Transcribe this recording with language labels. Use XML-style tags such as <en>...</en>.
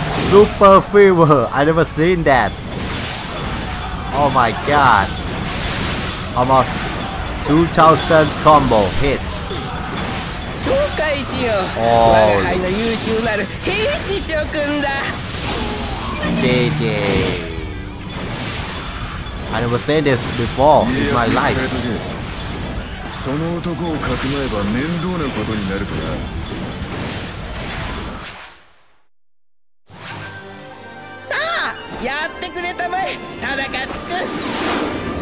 <en>スーパーフィーバー、I never seen that。Oh my god。 Almost 2000 combo hit.</en> <ja>紹介しよう。我が輩の優秀なる兵士諸君だ。 JJ。</ja> <en>I never said this before in my life。</en> <ja>その男をかくまえば面倒なことになるとな。さあ、やってくれたまえ、田中つく。</ja>